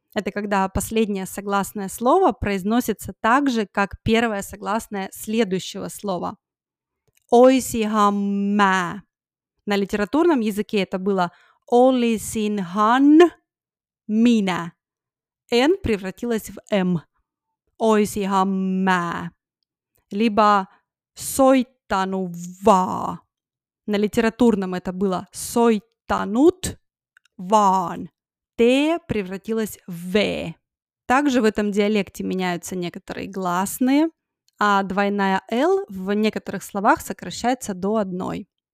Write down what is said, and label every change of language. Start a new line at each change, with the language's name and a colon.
Russian: Это когда последнее согласное слово произносится так же, как первое согласное следующего слова.
Finnish: «Oisihan mä».
Russian: На литературном языке это было «Olisinhan minä». «Н» превратилась в «м».
Finnish: Oisihan mä. Либо soittanu vaa.
Russian: На литературном это было
Finnish: soittanut vaan.
Russian: Т превратилось в V. Также в этом диалекте меняются некоторые гласные, а двойная L в некоторых словах сокращается до одной.